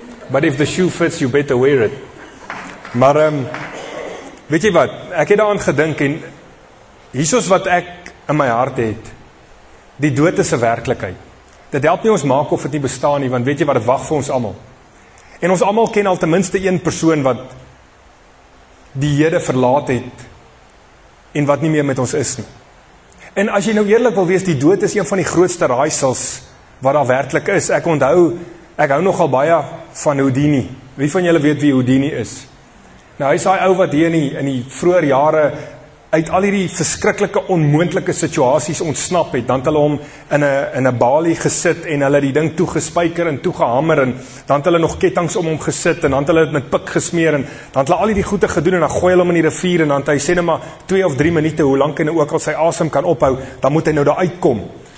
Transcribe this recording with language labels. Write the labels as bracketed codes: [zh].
[en] But if the shoe fits, you better wear it. [af] Maar, weet jy wat, ek het daaraan gedink en hiersoos wat ek in my hart het, die dood is 'n werklikheid. Dit help nie ons maak of dit nie bestaan nie, want weet jy wat, dit wag vir ons almal. En ons almal ken al ten minste een persoon wat die Here verlaat het en wat nie meer met ons is nie. En as jy nou eerlik wil wees, die dood is een van die grootste raaisels wat daar werklik is. Ek onthou, ek hou nogal baie van Houdini. Wie van julle weet wie Houdini is? Nou, hy is daai ou wat hier in die vroeë jare uit al hierdie verskriklike onmoontlike situasies ontsnap het. Dan het hulle hom in 'n balie gesit en hulle die ding toegespyker en toegehammer en dan het hulle nog kettinge om hom gesit en dan het hulle dit met pik gesmeer en dan het hulle al hierdie goeie gedoen en dan gooi hulle hom in die rivier en dan het hy sê net maar 2 of 3 minute, hoe lank hy nou ook al sy asem kan ophou, dan moet hy nou daar uitkom.